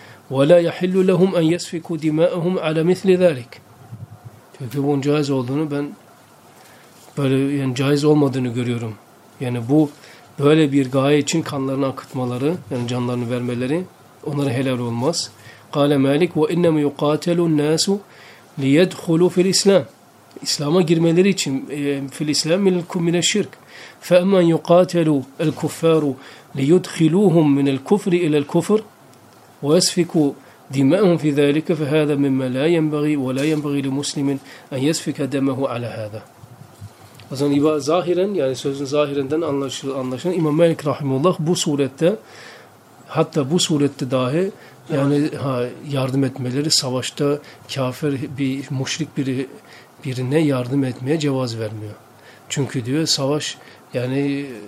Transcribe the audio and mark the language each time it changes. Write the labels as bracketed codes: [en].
[ar] وَلَا يَحِلُّ لَهُمْ اَنْ يَسْفِكُوا دِمَاءَهُمْ عَلَى مِثْلِ ذَٰلِكَ. [tr] Çünkü bunun caiz olduğunu ben böyle, yani caiz olmadığını görüyorum. Yani bu böyle bir gaye için kanlarını akıtmaları, yani canlarını vermeleri onlara helal olmaz. [ar] قَالَ مَالِكُ وَاِنَّمَ يُقَاتَلُ النَّاسُ لِيَدْخُلُوا فِي الْاِسْلَامِ. [tr] İslam'a girmeleri için [ar] فِي الْاِسْلَامِ مِنَ الشِّرْكِ فَاَمَنْ يُقَاتَلُوا الْكُفَّارُ لِيُدْخِلُوهُمْ مِنَ الْكُفْرِ إِلَى الْكُفْرِ وَيَسْفِكُوا دِمَاءَهُمْ فِي ذَٰلِكَ فَهَذَا مِمَّا لَا يَنْبَغِي وَلَا يَنْبَغِي لِمُسْلِمٍ اَنْ يَسْفِكَ دَمَهُ عَلَى هَذَا. [tr] O zaman zahiren, yani sözün zahirinden anlaşılan İmam Malik Rahimullah bu surette, hatta bu surette dahi yani yardım etmeleri, savaşta kafir bir müşrik birine yardım etmeye cevaz vermiyor. Çünkü diyor savaş, yani